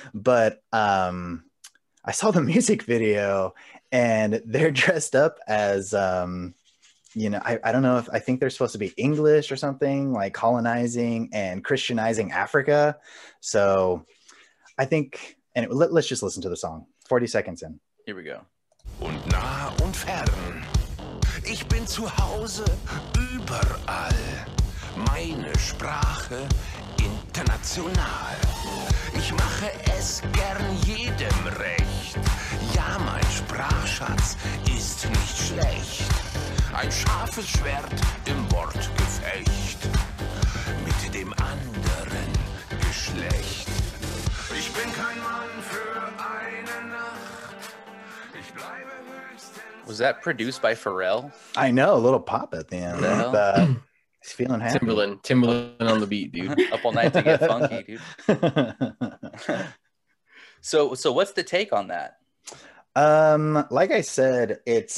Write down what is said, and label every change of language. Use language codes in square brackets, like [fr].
[en] But I saw the music video and they're dressed up as... you know, I don't know if I think they're supposed to be English or something, like colonizing and Christianizing Africa. So I think, and let's just listen to the song. 40 seconds in. Here we go. [de] Und nah und fern. Ich bin zu Hause überall. Meine Sprache international. Ich mache es gern jedem recht. Ja, mein Sprachschatz ist nicht schlecht. Ein scharfes Schwert im Wortgefecht mit dem anderen Geschlecht. Ich bin kein Mann für eine Nacht. Ich bleibe höchstens. [en] Was that produced by Pharrell? I know, a little pop at the end. Well, he's feeling happy. Timberland on the beat, dude. Up all night to get funky, dude. So what's the take on that? Like I said, it's